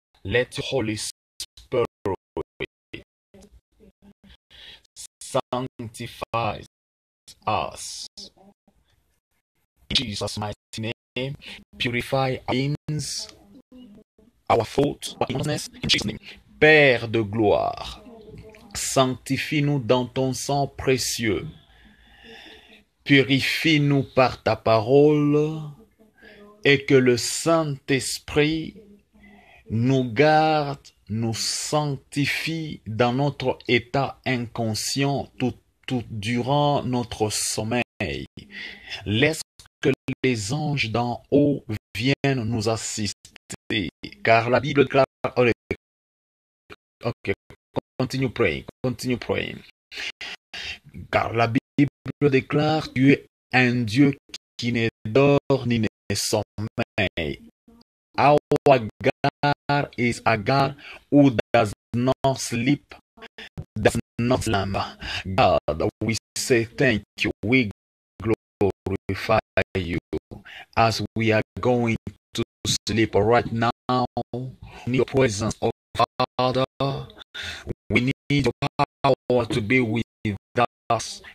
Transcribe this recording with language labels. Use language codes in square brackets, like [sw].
[en] Let your Holy Spirit sanctify us. In Jesus' mighty name, purify our beings, our thoughts, our consciousness. In Jesus' name, [fr] Père de gloire, sanctifie-nous dans ton sang précieux. Purifie-nous par ta parole et que le Saint-Esprit nous garde, nous sanctifie dans notre état inconscient tout durant notre sommeil. Laisse que les anges d'en haut viennent nous assister, car la Bible déclare... [en] Ok, continue praying. [fr] Car la Bible déclare que tu es un Dieu qui ne dort ni ne sommeille. [en] Our God is a God who does not sleep, does not slumber. God, we say thank you, we glorify you. As we are going to sleep right now, in your presence, O Father, we need your power to be with us.